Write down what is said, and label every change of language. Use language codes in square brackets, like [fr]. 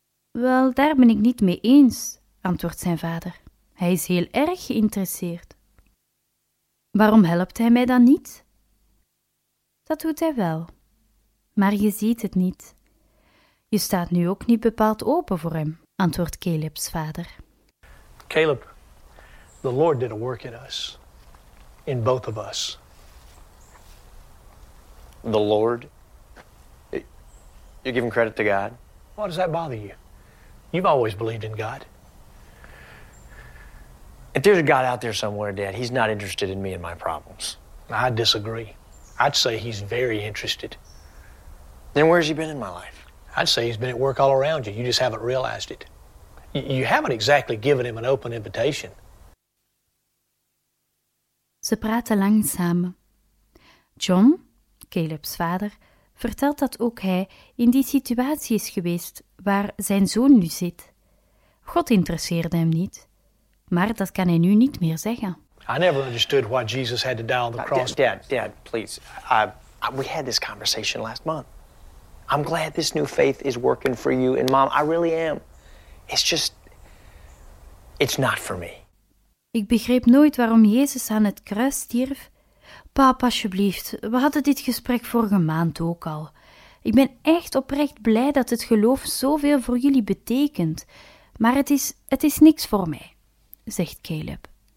[nl] Wel, daar ben ik niet mee eens, antwoordt zijn vader. Hij is heel erg geïnteresseerd. Waarom helpt hij mij dan niet? Dat doet hij wel. Maar je ziet het niet. Je staat nu ook niet bepaald open voor hem, antwoordt Caleb's vader. [en] Caleb, the Lord did a work in us. In both of us. The Lord? You're giving credit to God? Why does that bother you? You've always believed in God. If there's a God out there somewhere, Dad, he's not interested in me and my problems. I disagree. I'd say he's very interested. Then where's he been in my life? I'd say he's been at work all around you. You just haven't realized it. You haven't exactly given him an open invitation. [nl] Ze praten langzaam. John, Caleb's vader, vertelt dat ook hij in die situatie is geweest waar zijn zoon nu zit. God interesseerde hem niet, maar dat kan hij nu niet meer zeggen. [en] I never understood why Jesus had to die on the cross. Dad, please. We had this conversation last month. I'm glad this new faith is working for you and Mom. I really am. It's not for me. [nl] Ik begreep nooit waarom Jezus aan het kruis stierf. Pap, alsjeblieft, we hadden dit gesprek vorige maand ook al. Ik ben echt oprecht blij dat het geloof zoveel voor jullie betekent. Maar het is niks voor mij, zegt Caleb.